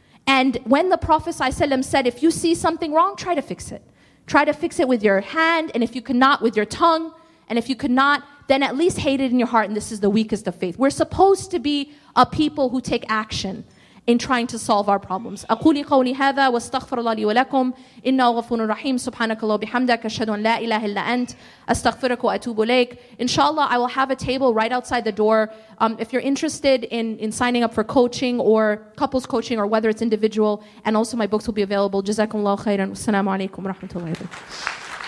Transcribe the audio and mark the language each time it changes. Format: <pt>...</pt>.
<en>And when the Prophet ﷺ said, if you see something wrong, try to fix it. Try to fix it with your hand, and if you cannot, with your tongue. And if you cannot, then at least hate it in your heart, and this is the weakest of faith. We're supposed to be a people who take action in trying to solve our problems.</en> <ar>أقولي قولي هذا واستغفر الله لي ولكم إنه غفور رحيم سبحانك الله وبحمدك أشهد أن لا إله إلا أنت أستغفرك وأتوب إليك.</ar> <en>Inshallah, I will have a table right outside the door. If you're interested in signing up for coaching or couples coaching or whether it's individual, and also my books will be available.</en> <ar>جزاكم الله خيرا والسلام عليكم ورحمة الله وبركاته.</ar>